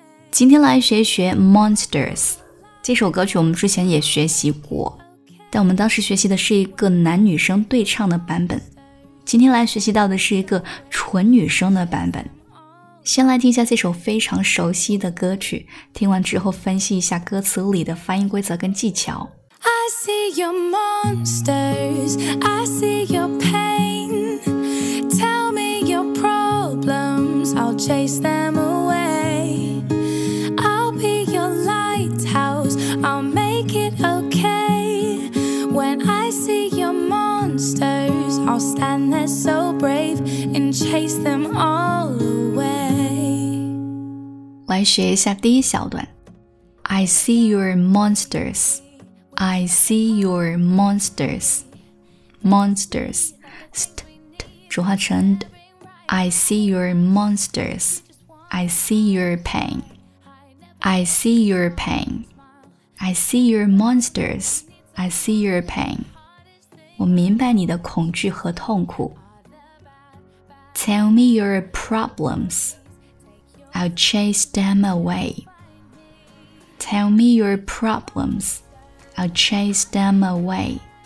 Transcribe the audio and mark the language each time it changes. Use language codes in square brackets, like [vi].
[zh] 今天来学一学 Monsters 这首歌曲，我们之前也学习过，但我们当时学习的是一个男女生对唱的版本，今天来学习到的是一个纯女生的版本。先来听一下这首非常熟悉的歌曲，听完之后分析一下歌词里的发音规则跟技巧。 [en] I see your monsters, I see your pain. Tell me your problems, I'll chase them away. I'll be your lighthouse, I'll make it okay. When I see your monsters, I'll stand there so brave and chase them all away. [zh] 来学一下第一小段。 [en] I see your monsters, I see your monsters, monsters, st [zh] 浊化成 [en] d, I see your monsters, I see your pain, I see your pain, I see your monsters, I see your pain. [zh] 我明白你的恐惧和痛苦。 [en] Tell me your problems. I'll chase them away. Tell me your problems. I'll chase them away.